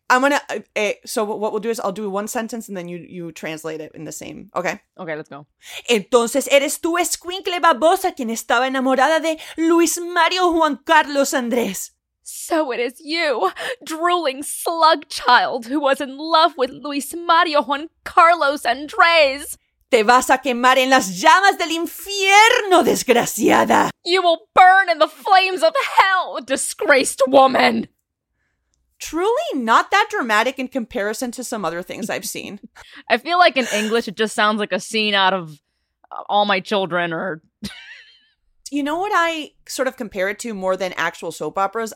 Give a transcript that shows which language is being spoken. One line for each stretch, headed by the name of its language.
English: I'm going to so what we'll do is I'll do one sentence and then you translate it in the same. Okay? Okay, let's go.
Spanish: Entonces, ¿eres tú Escuincle Babosa quien estaba enamorada de Luis Mario Juan Carlos Andrés?
English: So it is you, drooling slug child who was in love with Luis Mario Juan Carlos Andrés.
Spanish: Te vas a quemar en las llamas del infierno, desgraciada.
English: You will burn in the flames of hell, disgraced woman. Truly not that dramatic in comparison to some other things I've seen. I feel like in English it just sounds like a scene out of All My Children or... You know what I sort of compare it to more than actual soap operas?